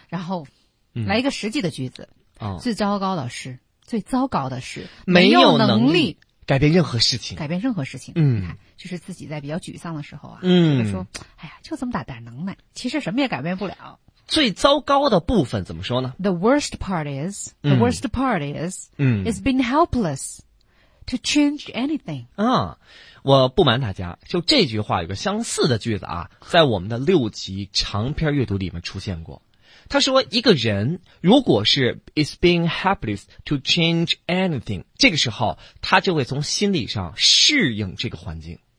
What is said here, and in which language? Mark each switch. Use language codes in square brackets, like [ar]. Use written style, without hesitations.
[zh] 然后来一个实际的句子。哦，最糟糕的是，最糟糕的是没有能力改变任何事情，改变任何事情。嗯，你看，就是自己在比较沮丧的时候啊，说，哎呀，就这么大点能耐，其实什么也改变不了。最糟糕的部分怎么说呢 [en] ？The worst part is, the worst part is, is being helpless to change anything. [zh] 啊，我不瞒大家，就这句话有个相似的句子啊，在我们的六级长篇阅读里面出现过。他说一个人如果是 [en] is being helpless to change anything， [zh] 这个时候他就会从心理上适应这个环境。